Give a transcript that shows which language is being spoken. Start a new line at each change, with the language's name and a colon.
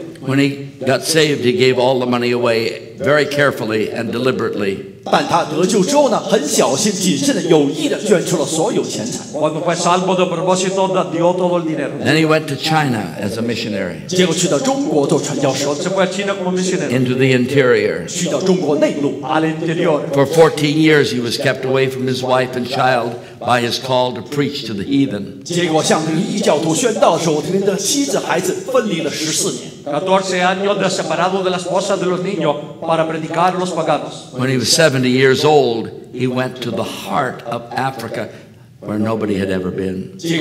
English: When he got saved, he gave all the money away very carefully and deliberately.
Chinese: 但他得救之后呢，很小心谨慎的、有意的捐出了所有钱财。Then
English: he went to China as a missionary.
Chinese: 结果去到中国做传教士。Into
English: the interior.
Chinese: 去到中国内陆。For
English: 14 years, he was kept away from his wife and child by his call to preach to the heathen.
Chinese: 结果向异教徒宣道的时候，他的妻子孩子分离了14年。
English: When he was 70 years old, he went to the heart of Africa where nobody had ever been.